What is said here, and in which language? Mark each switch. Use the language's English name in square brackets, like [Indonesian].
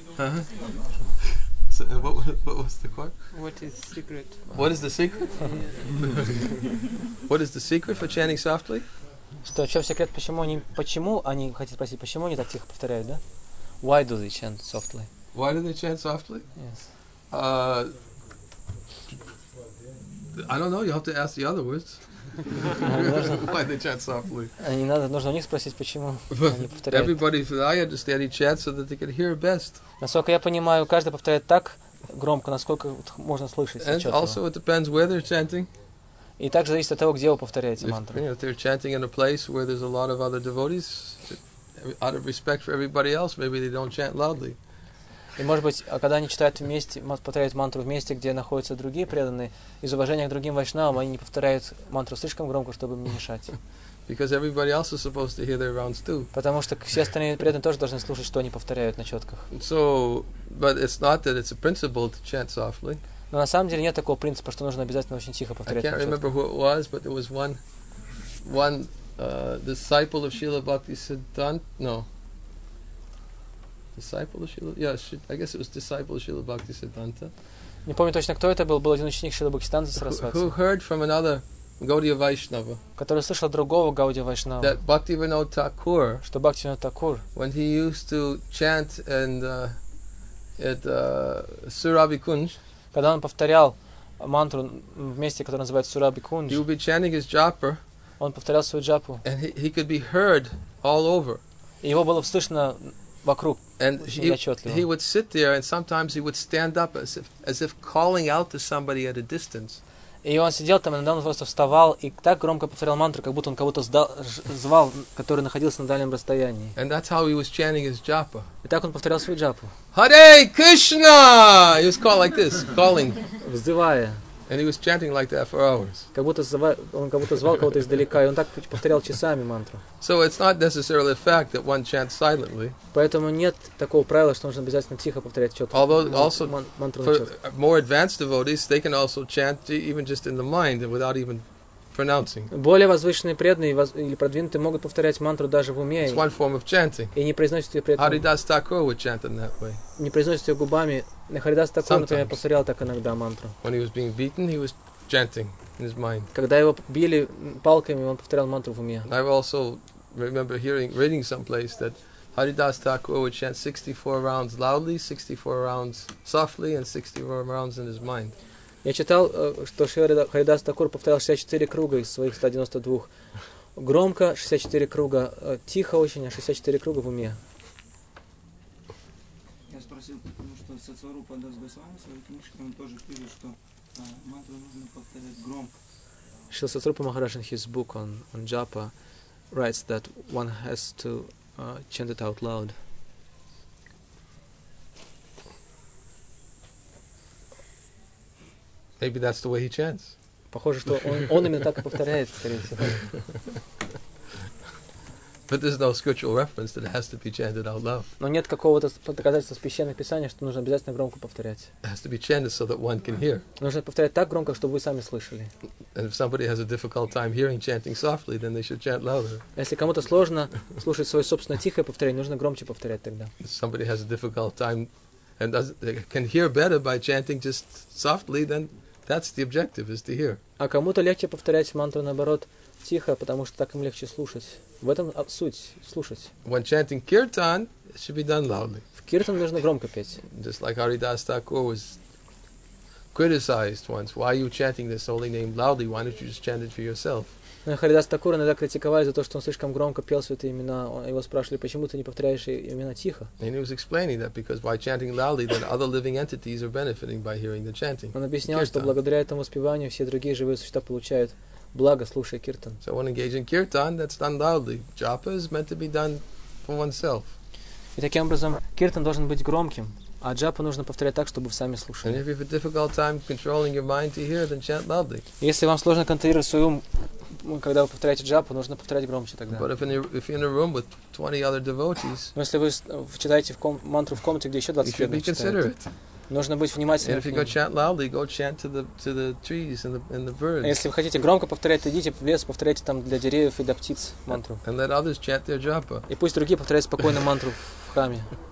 [English] Uh-huh. So, what was the quote? What is secret? What is the secret? What is the secret for chanting softly? [Russian] Что, в чем секрет, почему они хотят спросить, почему они так тихо повторяют, да? [English] Why do they chant softly? Why do they chant softly? Yes. I don't know, you have to ask the other words. Why they chant softly? [Russian] Не надо, нужно у них спросить, почему они повторяют. [English] Everybody, I understand, he chants so that they can hear best. [Russian] Насколько я понимаю, каждый повторяет так громко, насколько можно слышать. [English] And also it depends where they're chanting. [Russian] И также зависит от того, где вы повторяете мантру. [English] If they're chanting in a place where there's a lot of other devotees, out of respect for everybody else, maybe they don't chant loudly. [Russian] И может быть, когда они читают вместе, повторяют мантру вместе, где находятся другие преданные, из уважения к другим вайшнавам, они не повторяют мантру слишком громко, чтобы им не мешать. [English] Because everybody else is supposed to hear their rounds too. [Russian] Потому что все остальные преданные тоже должны слушать, что они повторяют на четках. [English] So, but it's not that it's a principle to chant softly. [Russian] Но на самом деле нет такого принципа, что нужно обязательно очень тихо повторять. [English] I can't remember who it was, but there was one disciple of Srila Bhakti Siddhanta. No. Disciple of Srila? Yeah, I guess it was disciple of Srila Bhakti Siddhanta. [Russian] Не помню точно, кто это был. Был один ученик Шрилы Бхактисиддханты Сарасвати. [English] Who heard from another Gaudiya Vaishnava? [Russian] Который слышал другого Гауди Вайшнава. [English] That Bhaktivinoda Thakur. [Russian] Что Бхактивинод Такур. [English] When he used to chant and at Surabhi Kunj. [Russian] Когда он повторял мантру в месте, которое называется Сураби Кунж, [English] he would be chanting his japa, [Russian] он повторял свою джапу. [English] And he could be heard all over. [Russian] И его было слышно вокруг, [English] and [Russian] очень отчетливо. [English] He would sit there, and sometimes he would stand up as if calling out to somebody at a distance. [Russian] И он сидел там, иногда он просто вставал и так громко повторял мантру, как будто он кого-то звал, который находился на дальнем расстоянии. [English] And that's how he was chanting his japa. [Russian] И так он повторял свою джапу. [English] Hare Krishna! He was calling like this, calling. [Russian] Взывая. [English] And he was chanting like that for hours. [Russian] Как будто звал кого-то издалека, и он так повторял часами мантру. [English] So it's not necessarily a fact that one chants silently. [Russian] Поэтому нет такого правила, что нужно обязательно тихо повторять чётко. [English] Although also for more advanced devotees, they can also chant even just in the mind without even pronouncing. [Russian] Более возвышенные преданные или продвинутые могут повторять мантру даже в уме. [English] It's one form of chanting. [Russian] И не произносят её при этом. [English] Haridas Thakur would chant in that way. [Russian] Не произносят её губами. На Харидас Такур, например, я повторял так иногда мантру. [English] When he was being beaten, he was chanting in his mind. [Russian] Когда его били палками, он повторял мантру в уме. [English] I also remember reading someplace that Haridas Thakur would chant 64 rounds loudly, 64 rounds softly, and 64 rounds in his mind. [Russian] Я читал, что Харидас Такур повторял 64 круга из своих 192. Громко 64 круга, тихо очень, а 64 круга в уме. Я спросил, потому что Сатсварупа Дас Госвами в своей книжке, он тоже пишет, что мантру нужно повторять громко. [English] Шрила Сатсварупа Махарадж in his book on Japa writes that one has to chant it out loud. Maybe that's the way he chants. [Russian] Похоже, что он именно так и повторяет, скорее всего. [English] But there's no scriptural reference that it has to be chanted out loud. [Russian] Но нет какого-то доказательства священных писаний, что нужно обязательно громко повторять. [English] It has to be chanted so that one can hear. [Russian] Нужно повторять так громко, чтобы вы сами слышали. [English] And if somebody has a difficult time hearing chanting softly, then they should chant louder. [Russian] Если кому-то сложно слушать свое собственное тихое повторение, нужно громче повторять тогда. [English] If somebody has a difficult time and can hear better by chanting just softly, then that's the objective, is to hear. [Russian] А кому-то легче повторять мантру наоборот тихо, потому что так им легче слушать. В этом суть, слушать. [English] When chanting kirtan, it should be done loudly. [Russian] В киртан нужно громко петь. [English] Just like Haridas Thakur was criticized once, why are you chanting this holy name loudly? Why don't you just chant it for yourself? [Russian] Харидас Такур иногда критиковали за то, что он слишком громко пел святые имена. Его спрашивали, почему ты не повторяешь имена тихо. [English] And he was explaining that because by chanting loudly, then other living entities are benefiting by hearing the chanting. [Russian] Он объяснял, что благодаря этому воспеванию все другие живые существа получают благо, слушая киртан. [English] So when engaging kirtan, that's done loudly. Japa is meant to be done for oneself. [Russian] И таким образом, киртан должен быть громким, А джапу нужно повторять так, чтобы вы сами слушали. [English] And if you have a difficult time controlling your mind to hear, then chant loudly. [Russian] Если вам сложно контролировать свой ум, когда вы повторяете джапу, нужно повторять громче тогда. [English] But if you're in a room with 20 other devotees, [Russian] но если вы читаете в мантру в комнате, где еще 20 преданных читают, [English] you should be considerate. [Russian] Нужно быть внимательным. [English] And if you go chant loudly, go chant to the trees and the birds. [Russian] Если вы хотите громко повторять, идите в лес, повторяйте там для деревьев и для птиц мантру. [English] And let others chant their japa. [Russian] И пусть другие повторяют спокойно мантру в храме.